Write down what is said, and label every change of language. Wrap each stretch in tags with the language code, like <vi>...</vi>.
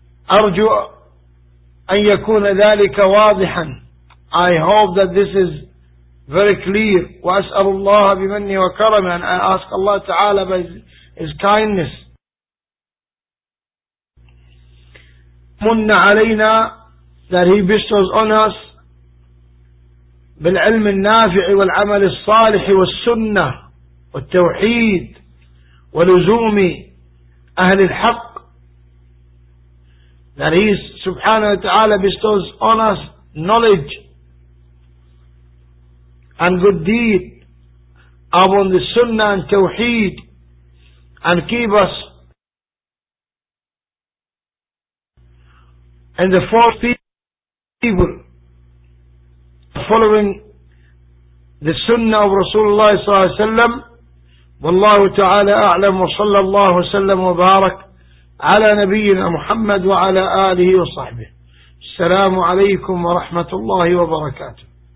<ar>أرجو أن يكون ذلك واضحا.</ar> <en>I hope that this is very clear.</en> <ar>وأسأل الله بمني وكرمي.</ar> <en>And I ask Allah Ta'ala by His kindness.</en> <ar>من علينا</ar> <en>that He bestows on us</en> <ar>بالعلم النافع والعمل الصالح والسنة والتوحيد ولزوم أهل الحق.</ar> <en>That He subhanahu wa ta'ala bestows on us knowledge and good deed upon the sunnah and tawheed, and keep us and the four people following the sunnah of Rasulullah sallallahu alayhi wa sallam.</en> <ar>Wallahu ta'ala a'lam wa sallallahu sallam wa barak على نبينا محمد وعلى آله وصحبه. السلام عليكم ورحمة الله وبركاته.</ar>